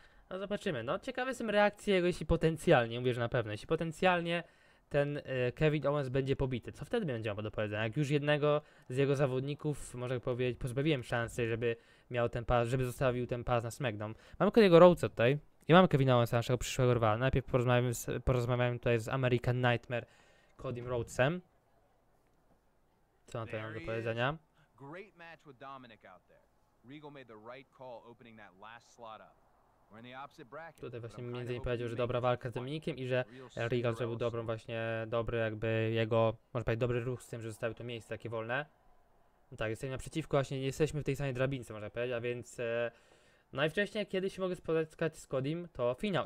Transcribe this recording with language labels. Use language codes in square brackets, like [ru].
[pl] No zobaczymy, no ciekawe są reakcje jego, jeśli potencjalnie ten Kevin Owens będzie pobity, co wtedy będzie miał do powiedzenia, jak już jednego z jego zawodników, można powiedzieć, pozbawiłem szansy, żeby miał ten pas, żeby zostawił ten pas na SmackDown. Mamy kolejnego Rowca tutaj i mamy Kevina Owensa, naszego przyszłego rywala. Najpierw porozmawiamy tutaj z American Nightmare Codym Rowcem. Co na to mam do powiedzenia? [en] Great match with Dominic out there. Regal made the right call opening that last slot up. [pl] Tutaj właśnie między innymi powiedział, że dobra walka z Dominikiem i że Regal zrobił dobrą właśnie, dobry jakby jego, można powiedzieć, dobry ruch z tym, że zostawił to miejsce takie wolne. No tak, jesteśmy naprzeciwko, właśnie nie jesteśmy w tej samej drabince, można powiedzieć, a więc najwcześniej kiedyś mogę spotkać z Codym, to finał.